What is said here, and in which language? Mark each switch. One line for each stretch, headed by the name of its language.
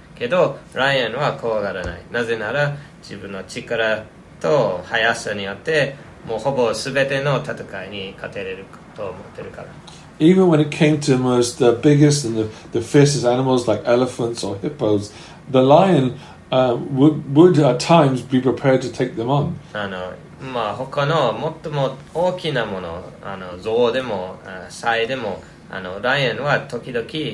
Japanese: けどライオンは怖がらない。なぜなら自分の力と速さによってもうほぼ全ての戦いに勝てれると思ってるから。
English: Even when it came to most the biggest and the fiercest animals like elephants or hippos, the lion would at times be prepared to take them on.
Japanese: まあ他の最も大きなもの、象でもサイでもライオンは時々